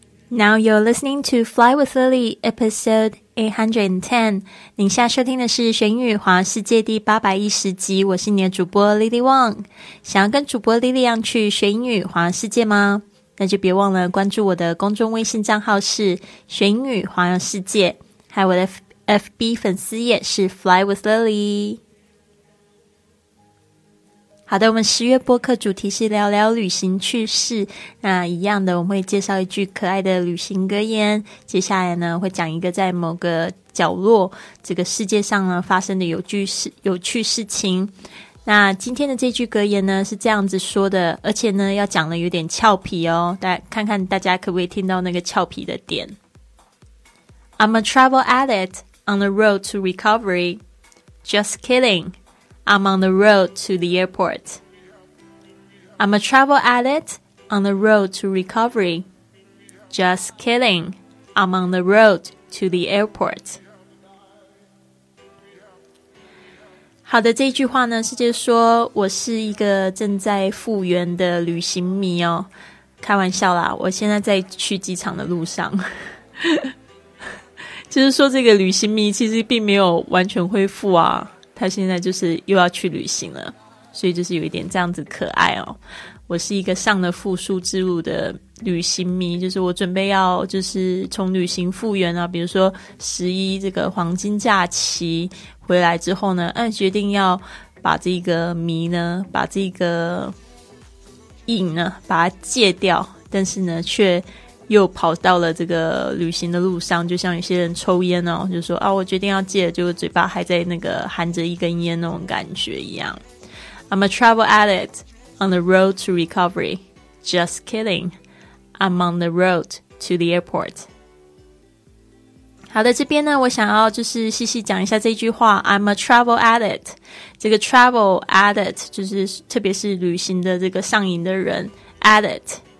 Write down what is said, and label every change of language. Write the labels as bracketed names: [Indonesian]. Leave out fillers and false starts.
[English] Now you're listening to Fly with Lily, episode 810. [Chinese] 您现在收听的是《玄语华世界》第810集，我是你的主播 Lily Wang。想要跟主播 Lily 一样去学英语环游世界吗？那就别忘了关注我的公众微信账号是《玄语环游世界》，还有我的 FB 粉丝页是 Fly with Lily。好的，我们10月播客主题是聊聊旅行趣事。那一样的，我们会介绍一句可爱的旅行格言。接下来呢，会讲一个在某个角落这个世界上呢发生的有趣事情。那今天的这句格言呢是这样子说的，而且呢要讲的有点俏皮哦。大家看看大家可不可以听到那个俏皮的点。 [English] I'm a travel addict on the road to recovery. Just kidding. I'm on the road to the airport. I'm a travel addict on the road to recovery. Just kidding. I'm on the road to the airport. [Chinese] 好的，这句话呢是就是说我是一个正在复原的旅行迷哦。开玩笑啦，我现在在去机场的路上。就是说这个旅行迷其实并没有完全恢复啊。他现在就是又要去旅行了，所以就是有一点这样子可爱哦。我是一个上了复苏之路的旅行迷，就是我准备要就是从旅行复原啊，比如说11这个黄金假期回来之后呢，决定要把这个迷呢，把这个瘾呢把它戒掉，但是呢却又跑到了这个旅行的路上，就像有些人抽烟哦，就说啊，我决定要戒，就嘴巴还在那个含着一根烟那种感觉一样。 [English] I'm a travel addict on the road to recovery. Just kidding. I'm on the road to the airport. [Chinese] 好的，这边呢，我想要就是细细讲一下这句话。 [English] I'm a travel addict. [Chinese] 这个 travel addict 就是特别是旅行的这个上瘾的人 addict.